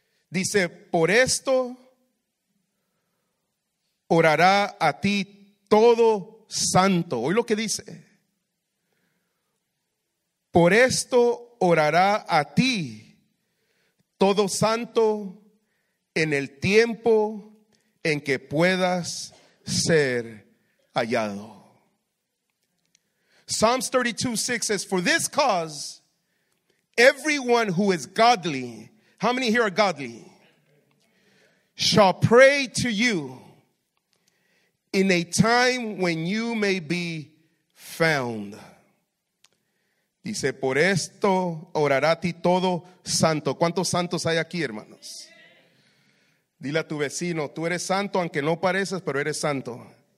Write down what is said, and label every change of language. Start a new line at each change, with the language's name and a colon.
Spanish: Dice, por esto orará a ti todo santo. Oye lo que dice. Por esto orará a ti todo santo en el tiempo en que puedas ser hallado.
English: Psalms 32:6 says, for this cause, everyone who is godly, how many here are godly, shall pray to you in a time when you may be found.
Spanish: Dice, por esto orará a ti todo santo. ¿Cuántos santos hay aquí, hermanos? Dile a tu vecino, tú eres santo, aunque no pareces, pero eres santo.